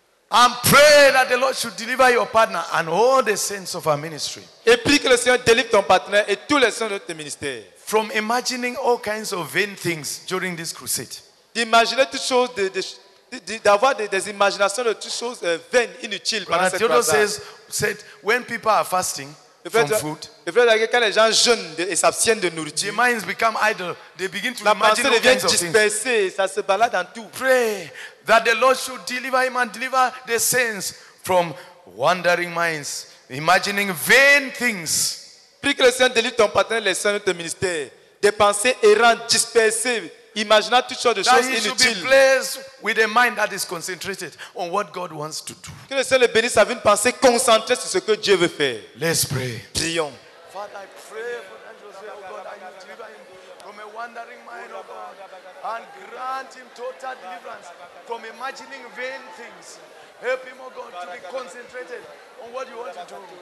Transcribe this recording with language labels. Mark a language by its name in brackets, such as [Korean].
[English] And pray that the Lord should deliver your partner and all the saints of our ministry. [French] Et prie que le Seigneur délivre ton partenaire et tous les saints de notre ministère. [English] From imagining all kinds of vain things during this crusade. [French] D'imaginer toutes choses d'avoir des imaginations de toutes choses vaines, inutiles pendant cette crusade. [English] Says, said when people are fasting. [French] Le vrai que quand les gens jeûnent et s'abstiennent de nourriture, [English] their minds become idle. They begin to [French] la pensée devient dispersée, ça se balade en tout. [English] Pray that the Lord should deliver him and deliver the saints from wandering minds, imagining vain things. [French] Prie que le Seigneur délivre ton partenaire, les saints de ton ministère, des pensées errantes, dispersées, imaginant toutes sortes de [English] that [French] choses inutiles. [English] That he should be blessed with a mind that is concentrated on what God wants to do. [French] Que le Seigneur le bénisse avec une pensée concentrée sur ce que Dieu veut faire. [English] Let's pray. [French] Prions. [English] Father, I pray for Dan Josué, oh God, that you deliver him from a wandering mind, oh God, and grant him total deliverance from imagining vain things. Help him, oh God, to be concentrated on what you want to do.